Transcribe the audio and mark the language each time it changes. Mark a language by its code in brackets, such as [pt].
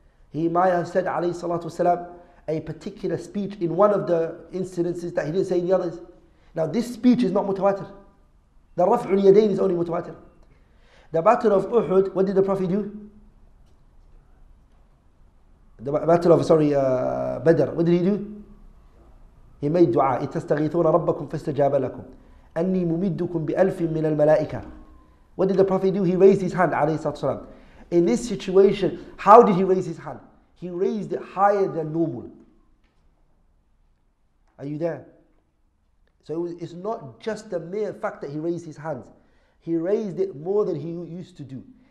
[en] He might have said, alayhi salatu wasalam, a particular speech in one of the incidences that he didn't say in the others. Now this speech is not mutawatir. The raf'ul yadayn is only mutawatir. The battle of Uhud, what did the Prophet do? The battle of Badr, what did he do? He made dua. [ar] اتستغيثون ربكم فاستجاب لكم أني ممدكم بألف من الملائكة. [en] What did the Prophet do? He raised his hand, alayhi salatu wasalam. In this situation, how did he raise his hand? He raised it higher than normal. Are you there? So it's not just the mere fact that he raised his hands. He raised it more than he used to do.